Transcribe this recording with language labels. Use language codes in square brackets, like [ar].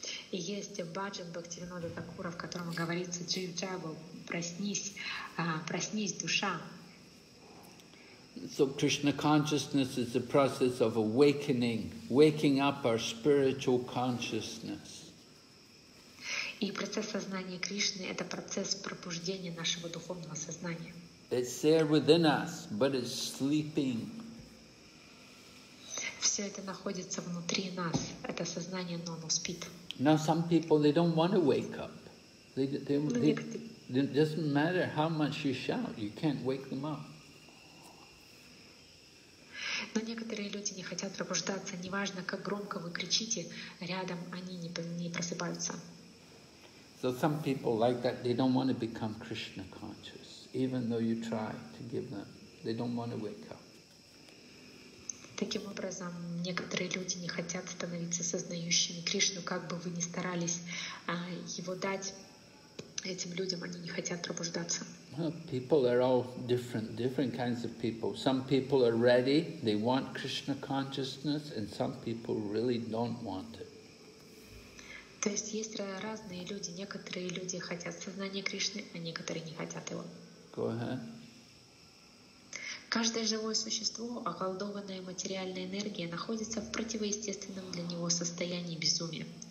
[ru] И есть баджан Бхактивинода Такура, в котором говорится Джив Джаго, проснись, проснись, душа. [en] So Krishna consciousness is the process of awakening, waking up our spiritual consciousness. [ru] И процесс сознания Кришны — это процесс пробуждения нашего духовного сознания. [en] It's there within us, but it's sleeping. [ru] Все это находится внутри нас, это сознание, но оно спит. [en] Now some people, they don't want to wake up. It doesn't matter how much you shout, you can't wake them up. [ru] Но некоторые люди не хотят пробуждаться, неважно, как громко вы кричите, рядом они не просыпаются. [en] So some people like that, they don't want to become Krishna conscious, even though you try to give them, they don't want to wake up. [ru] Таким образом, некоторые люди не хотят становиться сознающими Кришну, как бы вы ни старались его дать этим людям, они не хотят пробуждаться. [en] Well, people are all different kinds of people. Some people are ready, they want Krishna consciousness, and some people really don't want it. [ru] То есть есть разные люди. Некоторые люди хотят сознания Кришны, а некоторые не хотят его. [en] Go ahead. [ru] Каждое живое существо, околдованное материальной энергией, находится в противоестественном для него состоянии безумия.